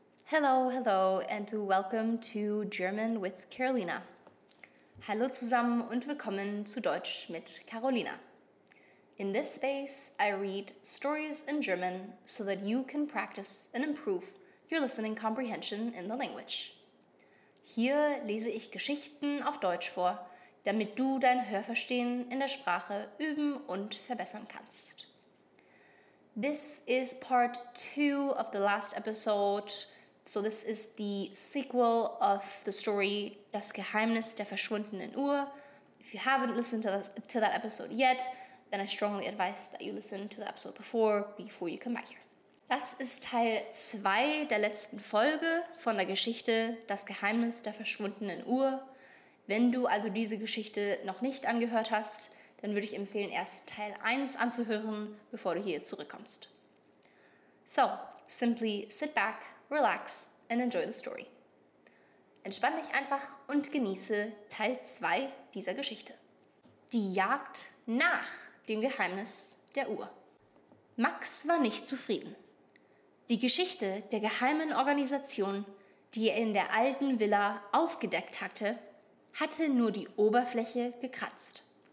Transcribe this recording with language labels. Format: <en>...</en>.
<en>Hello, hello and welcome to German with Carolina.</en> <de>Hallo zusammen und willkommen zu Deutsch mit Carolina.</de> <en>In this space, I read stories in German so that you can practice and improve your listening comprehension in the language.</en> <de>Hier lese ich Geschichten auf Deutsch vor, damit du dein Hörverstehen in der Sprache üben und verbessern kannst.</de> <en>This is part 2 of the last episode. So this is the sequel of the story Das Geheimnis der verschwundenen Uhr. If you haven't listened to that episode yet, then I strongly advise that you listen to the episode before you come back here.</en> <de>Das ist Teil 2 der letzten Folge von der Geschichte Das Geheimnis der verschwundenen Uhr. Wenn du also diese Geschichte noch nicht angehört hast, dann würde ich empfehlen, erst Teil 1 anzuhören, bevor du hier zurückkommst.</de> <en>So, simply sit back, relax and enjoy the story.</en> <de>Entspann dich einfach und genieße Teil 2 dieser Geschichte. Die Jagd nach dem Geheimnis der Uhr. Max war nicht zufrieden. Die Geschichte der geheimen Organisation, die er in der alten Villa aufgedeckt hatte, hatte nur die Oberfläche gekratzt.</de>